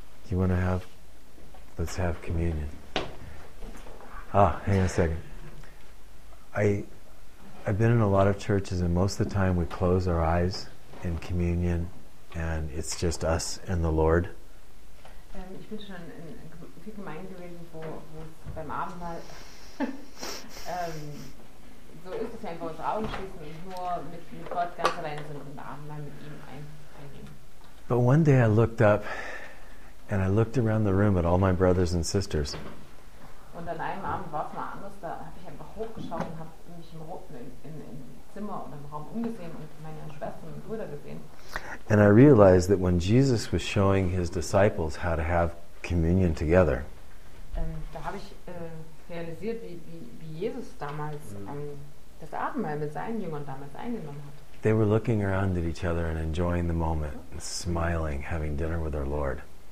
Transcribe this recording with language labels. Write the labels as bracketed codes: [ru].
[en] You want to have? Let's have communion. Ah, hang on a second. I've been in a lot of churches, and most of the time we close our eyes in communion, and it's just us and the Lord. [de] Ich bin schon in vielen Gemeinden gewesen, wo beim Abendmahl so ist es einfach, unsere Augen schließen und nur mit Gott ganz allein sind und Abendmahl mit ihm eingehen. [en] But one day I looked up, and I looked around the room at all my brothers and sisters. [de] Und an einem Abend war es mal anders, da habe ich einfach hochgeschaut und habe mich im Zimmer oder im Raum umgesehen und meine Schwestern und Brüder gesehen. [en] And I realized that when Jesus was showing his disciples how to have communion together. [de] Da habe ich realisiert, wie Jesus damals das Abendmahl mit seinen Jüngern damals eingenommen hat. [en] They were looking around at each other and enjoying the moment, and smiling, having dinner with their Lord.